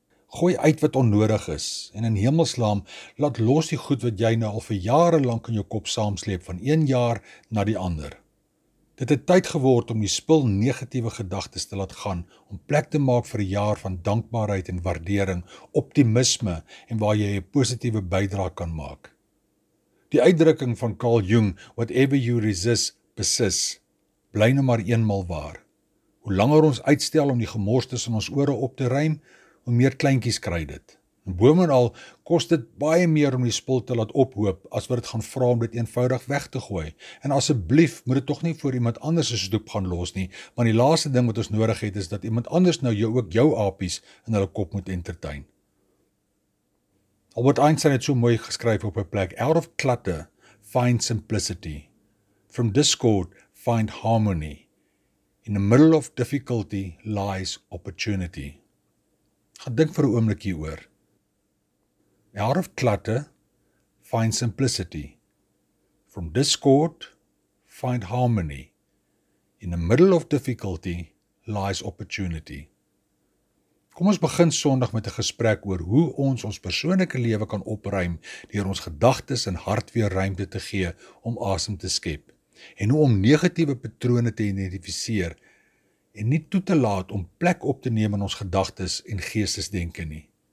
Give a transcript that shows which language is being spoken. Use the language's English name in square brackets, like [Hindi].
[Afrikaans] Gooi uit wat onnodig is en in hemelsnaam laat los die goed wat jy nou al vir jare lank in jou kop saamsleep van een jaar na die ander. Dit het tyd geword om die spul negatiewe gedagtes te laat gaan, om plek te maak vir 'n jaar van dankbaarheid en waardering, optimisme en waar jy 'n positiewe bydrae kan maak. Die uitdrukking van Carl Jung, [English] "Whatever you resist, persists," [Afrikaans] bly nou maar eenmal waar. Hoe langer ons uitstel om die gemors tussen ons ore op te ruim, hoe meer kleintjies kry dit. Bovenal kos dit baie meer om die spul te laat ophoop as wat dit gaan vra om dit eenvoudig weg te gooi. En asseblief moet dit tog nie voor iemand anders se stoep gaan los nie, want die laaste ding wat ons nodig het is dat iemand anders nou jou ook jou apies in hulle kop moet entertain. Albert Einstein het so mooi geskryf op 'n plek, [English] "Out of clutter, find simplicity. From discord, find harmony. In the middle of difficulty lies opportunity." [Afrikaans] Gaan dink vir 'n oomblik hieroor. [English] Out of clutter, find simplicity. From discord, find harmony. In the middle of difficulty lies opportunity. [Afrikaans] Kom ons begin Sondag met 'n gesprek oor hoe ons persoonlike lewe kan opruim deur ons gedagtes en hart weer ruimte te gee om asem te skep en hoe om negatiewe patrone te identifiseer en nie toe te laat om plek op te neem in ons gedagtes en geestesdenke nie.